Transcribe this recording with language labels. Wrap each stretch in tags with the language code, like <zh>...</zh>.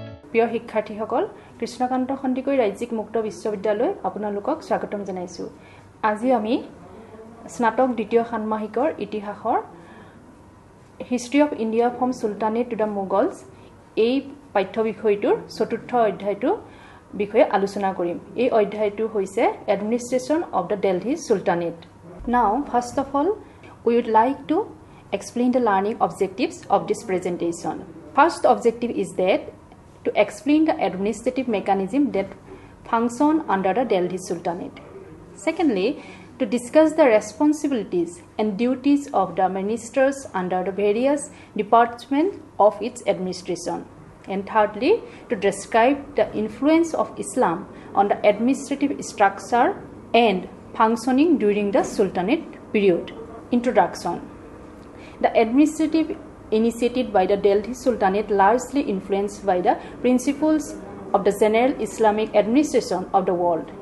<as>প্রিয় শিক্ষার্থীসকল, কৃষ্ণকান্ত সন্দিকৈ ৰাজ্যিক মুক্ত বিশ্ববিদ্যালয় আপোনালোকক স্বাগতম জনাইছোঁ। আজি আমি স্নাতক দ্বিতীয় ষান্মাসিকৰ ইতিহাসৰ history of India from চুলতানেট to the Mughals এই পাঠ্য বিষয়টোৰ চতুৰ্থ অধ্যায়টোৰ বিষয়ে আলোচনা কৰিম। এই অধ্যায়টো হৈছে এডমিনিষ্ট্ৰেশ্যন অফ দ্য দেলহি চুলতানেট।</as> <en>Now first of all we would like to explain the learning objectives of this presentation. First objective is that to explain the administrative mechanism that function under the Delhi sultanate. Secondly to discuss the responsibilities and duties of the ministers under the various department of its administration. And thirdly, to describe the influence of Islam on the administrative structure and functioning during the Sultanate period. Introduction. The administrative initiated by the Delhi Sultanate largely influenced by the principles of the general Islamic administration of the world.</en>